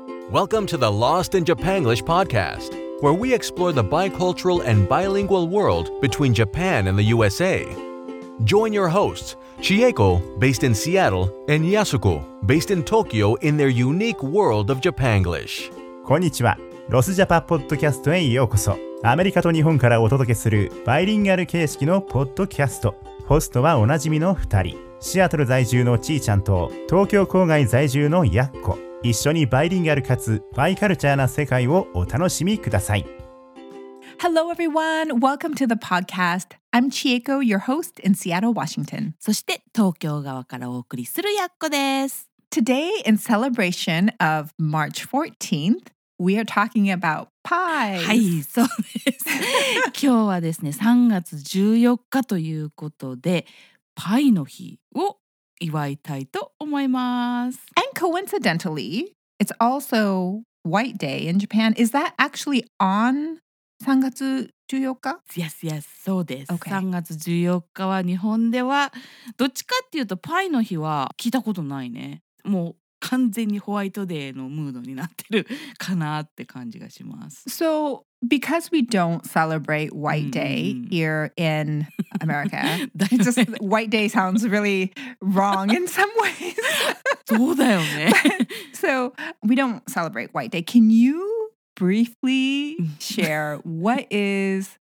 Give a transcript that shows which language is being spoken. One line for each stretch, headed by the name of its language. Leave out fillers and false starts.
English: Welcome to the Lost in Japan English podcast, where we explore the bicultural and bilingual world between Japan and the USA. Join your hosts, Chieko, based in Seattle, and Yasuko, based in Tokyo, in their unique world of Japanglish.
Japanese: こんにちは。ロスジャパポッドキャストへようこそ。アメリカと日本からお届けするバイリンガル形式のポッドキャスト。ホストはおなじみの2人。シアトル在住のちーちゃんと東京郊外在住のやっこ。一緒にバイリンガルかつバイカルチャーな世界をお楽しみください。
English: Hello everyone! Welcome to the podcast. I'm Chieko, your host in Seattle, Washington.
Japanese: そして東京側からお送りするやっこです。
English: Today, in celebration of March 14th,We are talking about pies.
Japanese: はい、そうです。今日はですね、3月14日ということで、パイの日を祝いたいと思います。
English: And coincidentally, it's also White Day in Japan. Is that actually on 3月14日? Yes, yes,
Japanese: そうです。
English: Okay.
Japanese: 3月14日は日本では、どっちかっていうとパイの日は聞いたことないね。もう、完全にホワイトデーのムードになってるかなって感じがします。
English: So, because we don't celebrate White Day here in America, it's just, White Day sounds really wrong in some ways.
Japanese: そうだよね。
English: So, we don't celebrate White Day. Can you briefly share what is...